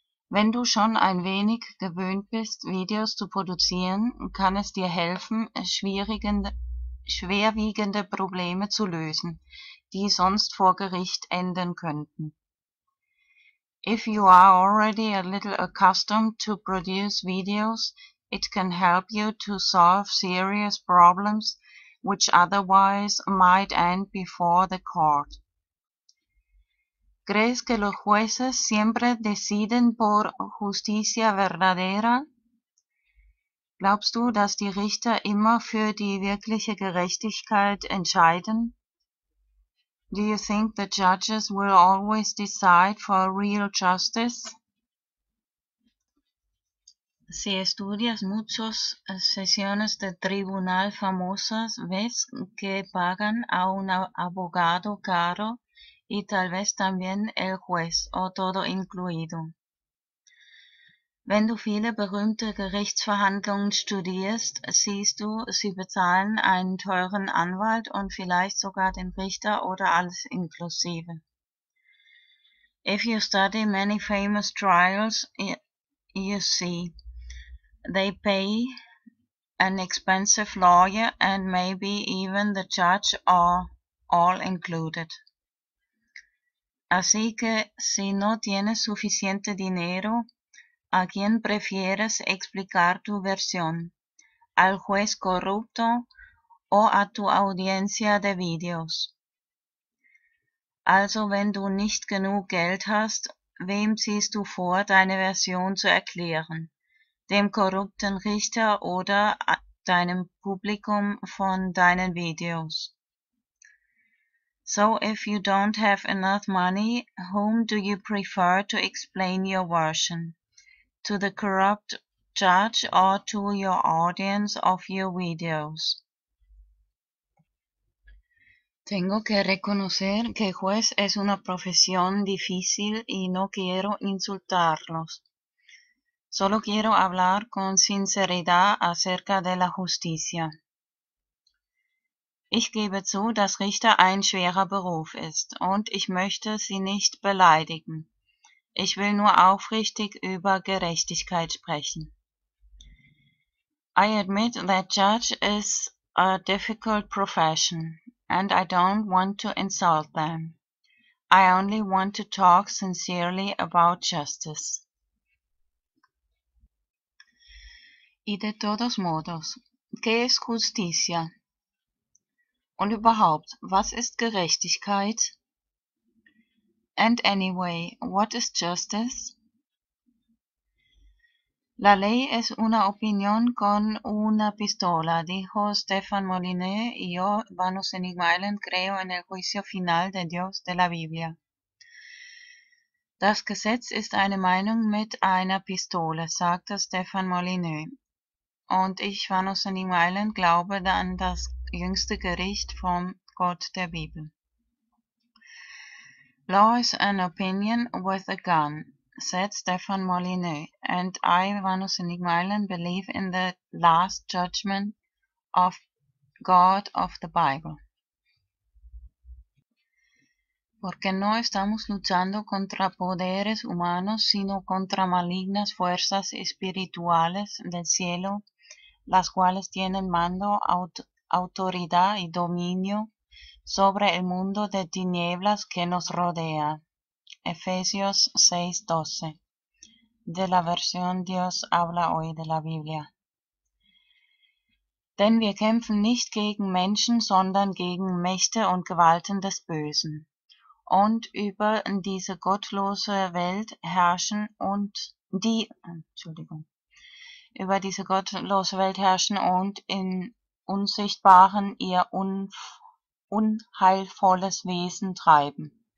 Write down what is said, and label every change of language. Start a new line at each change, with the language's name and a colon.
German: Wenn du schon ein wenig gewöhnt bist, Videos zu produzieren, kann es dir helfen, schwierigen schwerwiegende Probleme zu lösen, die sonst vor Gericht enden könnten.
English: If you are already a little accustomed to produce videos, it can help you to solve serious problems which otherwise might end before the court.
Spanish: ¿Crees que los jueces siempre deciden por justicia verdadera?
German: ¿Glaubst du, dass die Richter immer für die wirkliche Gerechtigkeit entscheiden?
English: Do you think the judges will always decide for real justice?
Spanish: Si estudias muchas sesiones de tribunal famosas, ves que pagan a un abogado caro y tal vez también el juez o todo incluido.
German: Wenn du viele berühmte Gerichtsverhandlungen studierst, siehst du, sie bezahlen einen teuren Anwalt und vielleicht sogar den Richter oder alles inklusive.
English: If you study many famous trials, you see, they pay an expensive lawyer and maybe even the judge or all included.
Spanish: Así que, si no tienes suficiente dinero, ¿a quién prefieres explicar tu versión? ¿Al juez corrupto o a tu audiencia de videos?
German: Also, wenn du nicht genug Geld hast, wem ziehst du vor, deine Version zu erklären? ¿Dem korrupten Richter oder deinem Publikum von deinen Videos?
English: So, if you don't have enough money, whom do you prefer to explain your version? To the corrupt judge or to your audience of your videos?
Spanish: Tengo que reconocer que juez es una profesión difícil y no quiero insultarlos. Solo quiero hablar con sinceridad acerca de la justicia.
German: Ich gebe zu, dass Richter ein schwerer Beruf ist und ich möchte sie nicht beleidigen. Ich will nur aufrichtig über Gerechtigkeit sprechen.
English: I admit that judge is a difficult profession and I don't want to insult them. I only want to talk sincerely about justice.
Spanish: Y de todos modos, ¿qué es justicia?
German: Und überhaupt, was ist Gerechtigkeit?
English: And anyway, what is justice?
Spanish: La ley es una opinión con una pistola, dijo Stefan Molyneux y yo, Vanus Enigma Island, creo en el juicio final de Dios de la Biblia.
German: Das Gesetz ist eine Meinung mit einer Pistole, sagte Stefan Molyneux. Und ich, Vanus Enigma Island, glaube an das jüngste Gericht vom Gott der Bibel.
English: Law is an opinion with a gun, said Stefan Molyneux, and I, Vanus Enigma Island, believe in the last judgment of God of the Bible.
Spanish: Porque no estamos luchando contra poderes humanos, sino contra malignas fuerzas espirituales del cielo, las cuales tienen mando, autoridad y dominio sobre el mundo de tinieblas que nos rodea. Efesios 6:12. De la versión Dios habla hoy de la Biblia.
German: Denn wir kämpfen nicht gegen Menschen, sondern gegen Mächte und Gewalten des Bösen. Und über diese gottlose Welt herrschen und die, Entschuldigung, über diese gottlose Welt herrschen und in Unsichtbaren ihr unheilvolles Wesen treiben.